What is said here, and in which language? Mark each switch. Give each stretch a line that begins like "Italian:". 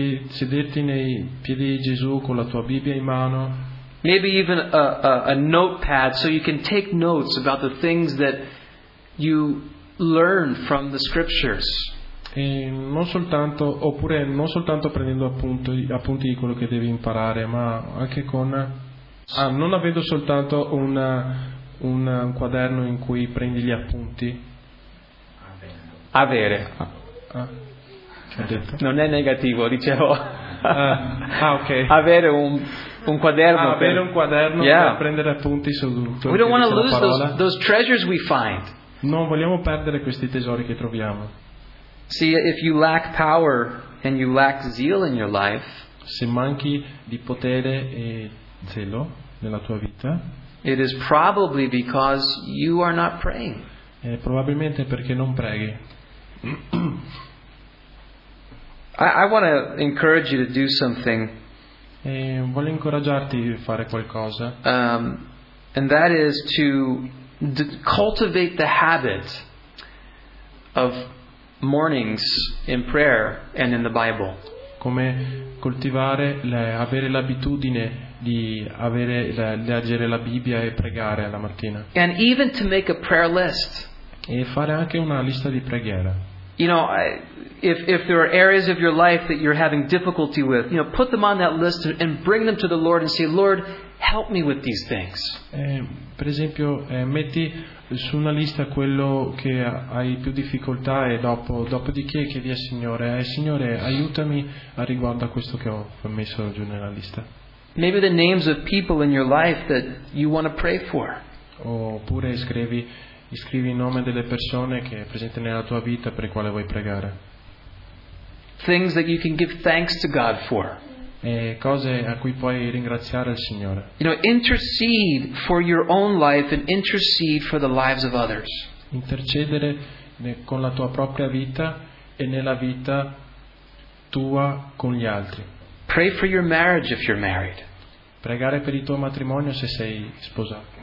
Italian: Sederti nei piedi di Gesù con la tua Bibbia in mano.
English: Maybe even a notepad so you can take notes about the things that you learn from the scriptures.
Italian: E non soltanto, oppure non soltanto prendendo appunti di quello che devi imparare, ma anche con non avendo soltanto un quaderno in cui prendi gli appunti. Avere. Non è negativo, dicevo. Ok. Avere un quaderno. Avere un quaderno per prendere appunti su tutto.
English: We don't want to lose those treasures we find.
Italian: Non vogliamo perdere questi tesori che troviamo.
English: See, if you lack power and you lack zeal in your life,
Italian: se manchi di potere e zelo nella tua vita,
English: it is probably because you are not praying.
Italian: È probabilmente perché non preghi.
English: I want to encourage you to do something.
Italian: E voglio incoraggiarti a fare qualcosa.
English: And that is to cultivate the habit of mornings in prayer and in the Bible.
Italian: Come coltivare avere l'abitudine di avere leggere la Bibbia e pregare alla mattina.
English: And even to make a prayer list.
Italian: E fare anche una lista di preghiera.
English: You know, if there are areas of your life that you're having difficulty with, you know, put them on that list and bring them to the Lord and say, Lord, help me with these things.
Italian: Per esempio, metti su una lista quello che hai più difficoltà e dopo di che chiedi al Signore, Signore, aiutami a riguardo a questo che ho messo giù nella lista.
English: Maybe the names of people in your life that you want to pray for.
Italian: Oppure scrivi il nome delle persone che è presente nella tua vita per le quali vuoi pregare.
English: Things that you can give thanks to God for.
Italian: E cose a cui puoi ringraziare il Signore.
English: You know, intercede for your own life and intercede for the lives of others.
Italian: Intercedere con la tua propria vita e nella vita tua con gli altri.
English: Pray for your marriage if you're married.
Italian: Pregare per il tuo matrimonio se sei sposato.